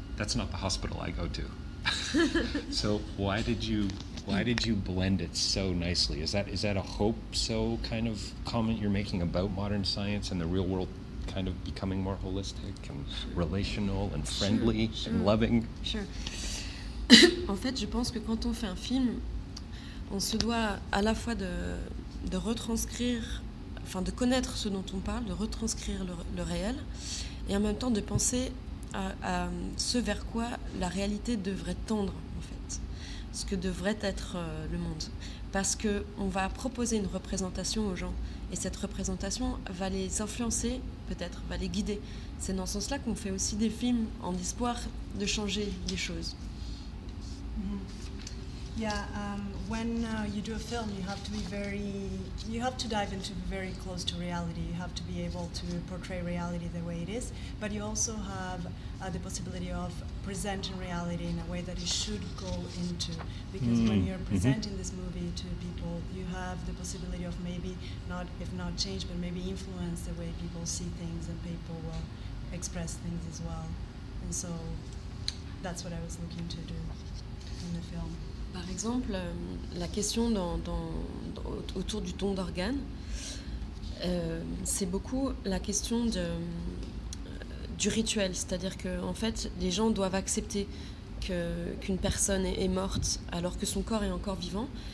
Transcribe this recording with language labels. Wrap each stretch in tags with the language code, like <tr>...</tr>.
<en>That's not the hospital I go to. So why did you blend it so nicely? Is that a hope so kind of comment you're making about modern science and the real world kind of becoming more holistic and relational and friendly and loving? Sure.</en> <fr>En fait, je pense que quand on fait un film, on se doit à la fois de retranscrire, enfin de connaître ce dont on parle, de retranscrire le réel, et en même temps de penser à ce vers quoi la réalité devrait tendre, en fait, ce que devrait être le monde. Parce qu'on va proposer une représentation aux gens, et cette représentation va les influencer, peut-être, va les guider. C'est dans ce sens-là qu'on fait aussi des films, en espoir de changer les choses. Mm-hmm.</fr> <en>Yeah, when you do a film, you have to dive into very close to reality. You have to be able to portray reality the way it is, but you also have the possibility of presenting reality in a way that it should go into. Because when you're presenting this movie to people, you have the possibility of maybe not, if not change, but maybe influence the way people see things and people will express things as well. And so that's what I was looking to do in the film.</en> <fr>Par exemple, la question autour du ton d'organe, c'est beaucoup la question du rituel. C'est-à-dire que, en fait, les gens doivent accepter qu'une personne est morte alors que son corps est encore vivant.</fr>